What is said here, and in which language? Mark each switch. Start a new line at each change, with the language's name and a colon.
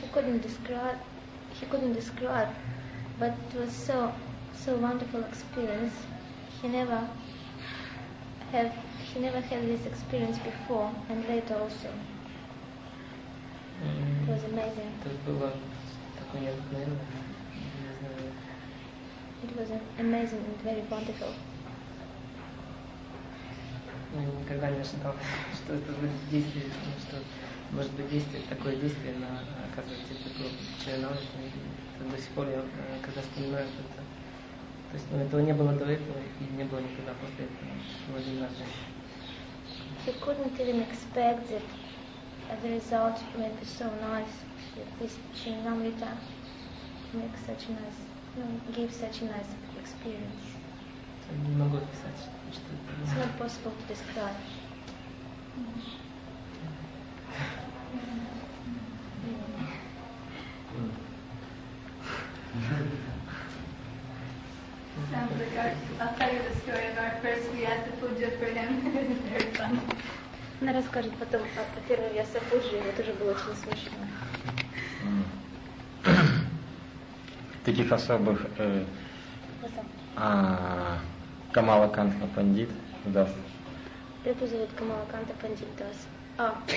English: He couldn't describe, but it was so wonderful experience. He never had this experience before and later also. It was amazing.
Russian: Это было такое необыкновенное, не знаю.
English: It was amazing and very wonderful.
Russian: Я никогда не ожидал, что это будет действие, что может быть действие, такое действие на, оказывается, такое чаранамрита. Это до сих пор я, когда вспоминаю это. То есть, ну, этого не было до этого и не было никогда после этого. В один раз.
English: He couldn't even expect that the result would be so nice, that this чаранамрита makes such a nice. Gave such a nice experience.
Russian: Не могу описать, что это.
English: It's not possible to describe. Sounds like I'll tell you the story of our first Vyasa Puja for him. Very fun.
Russian: Она расскажет потом о первой Vyasa Puja, это тоже было очень смешно. Таких особых Камала Канта Пандит Дас. Прибу зовут Камала Канта Пандит Дас.